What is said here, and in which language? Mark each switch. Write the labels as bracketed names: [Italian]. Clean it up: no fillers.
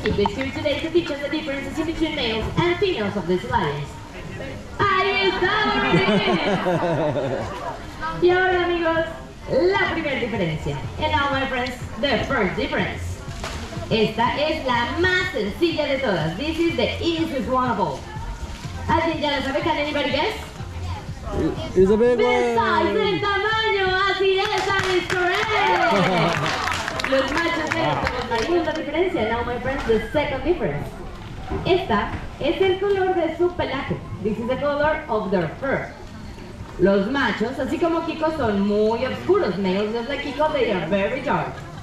[English] Keep this here today to teach us the differences in between males and females of this lioness. [Spanish] Ahí está, Y ahora, amigos, la primera diferencia. [English] And now, my friends, the first difference. [Spanish] Esta es la más sencilla de todas. [English] This is the easiest one of all. [Spanish] ¿Alguien ya la sabe? [English] ¿Can anybody guess? It's a big one. [Spanish] De size, de tamaño, así es, [English] that is correct. [Spanish] Los machos tienen la segunda diferencia. [English] Now, my friends, the second difference. [Spanish] Esta es el color de su pelaje. [English] This is the color of their fur. [Spanish] Los machos, así como Kiko, son muy oscuros. [English] Males just like Kiko, they are very dark.